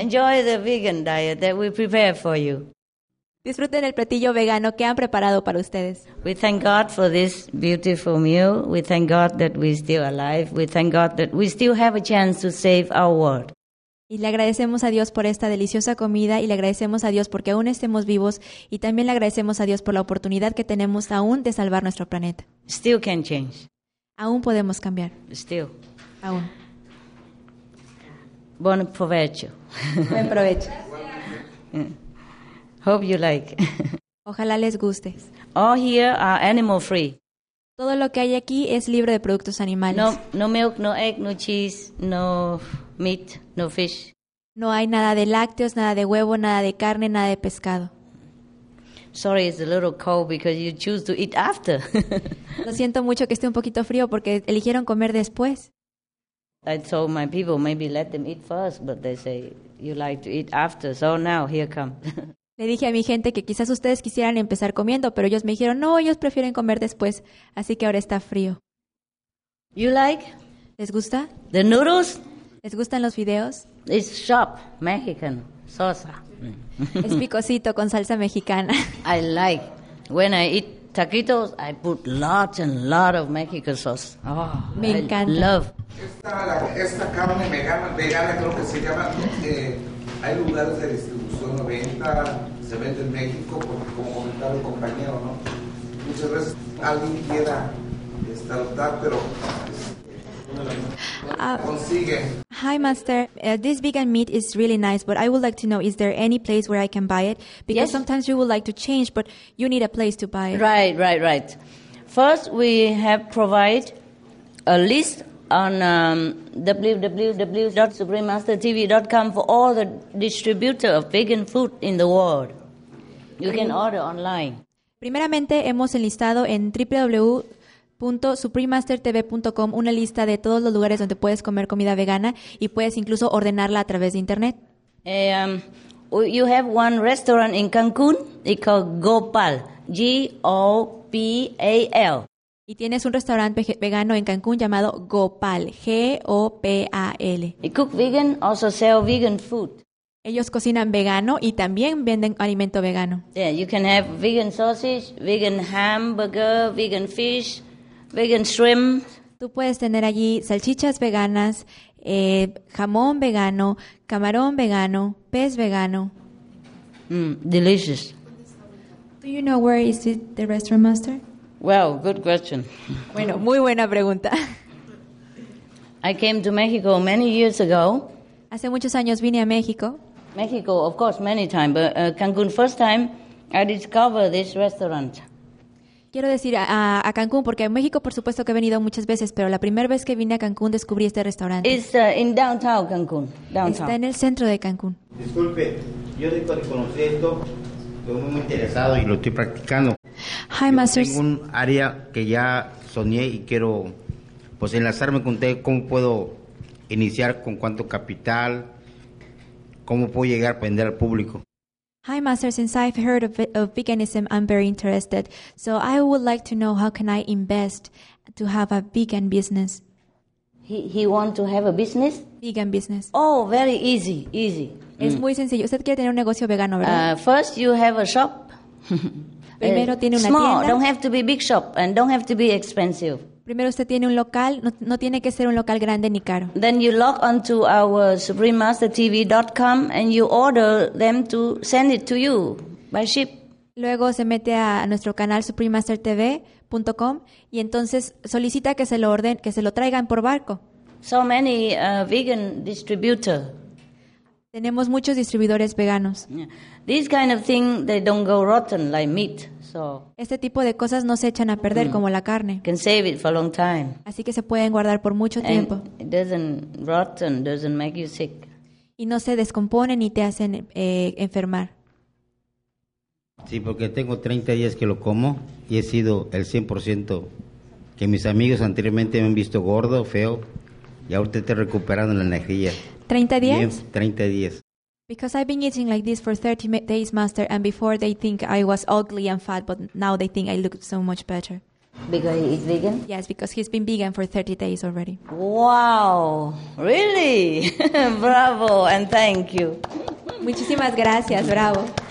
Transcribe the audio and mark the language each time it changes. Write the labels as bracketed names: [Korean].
[English] Enjoy the vegan diet that we prepare for you. [Spanish] Disfruten el platillo vegano que han preparado para ustedes. [English] We thank God for this beautiful meal. We thank God that we're still alive. We thank God that we still have a chance to save our world. [Spanish] Y le agradecemos a Dios por esta deliciosa comida y le agradecemos a Dios porque aún estemos vivos y también le agradecemos a Dios por la oportunidad que tenemos aún de salvar nuestro planeta. [English] Still can change. [Spanish] Aún podemos cambiar. [English] Still. [Spanish] Aún. Buen provecho. Buen provecho. [English] Hope you like. [Spanish] Ojalá les guste. [English] All here are animal free. [Spanish] Todo lo que hay aquí es libre de productos animales. [English] No milk, no egg, no cheese, no meat, no fish. [Spanish] No hay nada de lácteos, nada de huevo, nada de carne, nada de pescado. [English] Sorry, it's a little cold because you choose to eat after. [Spanish] Lo siento mucho que esté un poquito frío porque eligieron comer después. [English] I told my people maybe let them eat first, but they say you like to eat after. So now here come. [Spanish] Le dije a mi gente que quizás ustedes quisieran empezar comiendo, pero ellos me dijeron, no, ellos prefieren comer después, así que ahora está frío. [English] You like? [Spanish] ¿Les gusta? [English] The noodles? [Spanish] ¿Les gustan los fideos? [English] It's sharp, Mexican, salsa. [Spanish] Es picosito con salsa mexicana. [English] I like. When I eat taquitos, I put lots and lots of Mexican sauce. Oh, [Spanish] me encanta. [English] I love. [Spanish] Esta carne vegana creo que se llama, hay lugares de distribución. Se vende en México, como comentaba el compañero, ¿no? Muchas veces alguien quiera estar, pero consigue. [English] Hi, Master. This vegan meat is really nice, but I would like to know, is there any place where I can buy it? Because yes. Sometimes you would like to change, but you need a place to buy it. Right, right, right. First, we have provide a list on www.suprememastertv.com for all the distributor of vegan food in the world. You can order online. [Spanish] Primeramente, hemos enlistado en www.suprememastertv.com una lista de todos los lugares donde puedes comer comida vegana y puedes incluso ordenarla a través de internet. [English] You have one restaurant in Cancun. It's called Gopal. G-O-P-A-L. [Spanish] Y tienes un restaurante vegano en Cancún llamado Gopal, G-O-P-A-L. [English] They cook vegan, also sell vegan food. [Spanish] Ellos cocinan vegano y también venden alimento vegano. [English] Yeah, you can have vegan sausage, vegan hamburger, vegan fish, vegan shrimp. [Spanish] Tú puedes tener allí salchichas veganas, jamón vegano, camarón vegano, pez vegano. [English] Delicious. Do you know where is it, the restaurant, Master? Well, good question. [Spanish] Bueno, muy buena pregunta. [English] I came to Mexico many years ago. [Spanish] Hace muchos años vine a México. [English] Mexico, of course, many times, but Cancun, first time I discovered this restaurant. [Spanish] Quiero decir a Cancún, porque en México, por supuesto, que he venido muchas veces, pero la primera vez que vine a Cancún descubrí este restaurante. [English] It's in downtown Cancun. Downtown. [Spanish] Está en el centro de Cancún. Disculpe, yo tengo que conocer esto. Estoy muy interesado y lo estoy practicando. [English] Hi, [Spanish] yo [English] Masters. [Spanish] Tengo un área que ya soñé y quiero pues enlazarme con usted. ¿Cómo puedo iniciar? ¿Con cuánto capital? ¿Cómo puedo llegar a vender al público? [English] Hi, Masters. Since I've heard of veganism, I'm very interested. So I would like to know, how can I invest to have a vegan business? He wants to have a business? Vegan business. Oh, very easy. [Spanish] Es muy sencillo. Usted quiere tener un negocio vegano, ¿verdad? [English] First, you have a shop. [Spanish] Primero tiene una [English] small, [Spanish] tienda. [English] Don't have to be big shop and don't have to be expensive. [Spanish] Primero usted tiene un local, no tiene que ser un local grande ni caro. [English] Then you log on to our suprememastertv.com and you order them to send it to you by ship. [Spanish] Luego se mete a nuestro canal suprememastertv.com y entonces solicita que se lo orden, que se lo traigan por barco. [English] So many vegan distributor. [Spanish] Tenemos muchos distribuidores veganos. [English] These kind of thing, they don't go rotten like meat. So [Spanish] este tipo de cosas no se echan a perder como la carne. [English] Can save it for a long time. [Spanish] Así que se pueden guardar por mucho tiempo. [English] It doesn't rotten, doesn't make you sick. [Spanish] Y no se descompone ni te hacen enfermar. Sí, porque tengo 30 días que lo como y he sido el 100% que mis amigos anteriormente me han visto gordo, feo, y ahora estoy recuperando la energía. 30 días. Bien, 30 días. [English] Because I've been eating like this for 30 days, Master, and before they think I was ugly and fat, but now they think I look so much better. Because he's vegan? Yes, because he's been vegan for 30 days already. Wow, really? Bravo, and thank you. [Spanish] Muchísimas gracias, bravo.